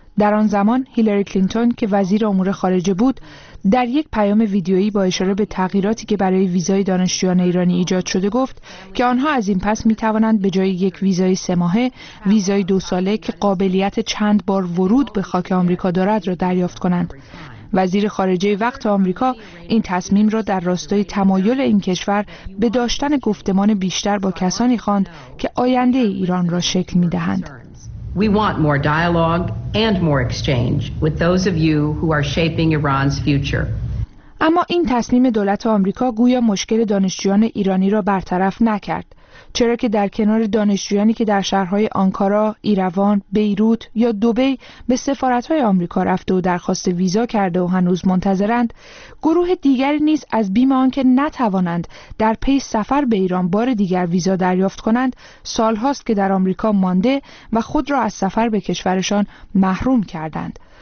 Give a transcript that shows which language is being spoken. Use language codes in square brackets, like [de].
[fa] در آن زمان هیلری کلینتون که وزیر امور خارجه بود در یک پیام ویدیویی با اشاره به تغییراتی که برای ویزای دانشجویان ایرانی ایجاد شده گفت که آنها از این پس می توانند به جای یک ویزای 3 ماهه ویزای 2 ساله که قابلیت چند بار ورود به خاک آمریکا دارد را دریافت کنند. وزیر خارجه وقت آمریکا این تصمیم را در راستای تمایل این کشور به داشتن گفتمان بیشتر با کسانی خواند که آینده ایران را شکل می دهند. [en] We want more dialogue and more exchange with those of you who are shaping Iran's future. [fa] اما این تصمیم دولت آمریکا گویا مشکل دانشجویان ایرانی را برطرف نکرد، چرا که در کنار دانشجویانی که در شهرهای آنکارا، ایروان، بیروت یا دبی به سفارت‌های آمریکا رفته و درخواست ویزا کرده و هنوز منتظرند، گروه دیگری نیز از بیم آنکه نتوانند در پی سفر به ایران بار دیگر ویزا دریافت کنند، سال‌هاست که در آمریکا مانده و خود را از سفر به کشورشان محروم کردند.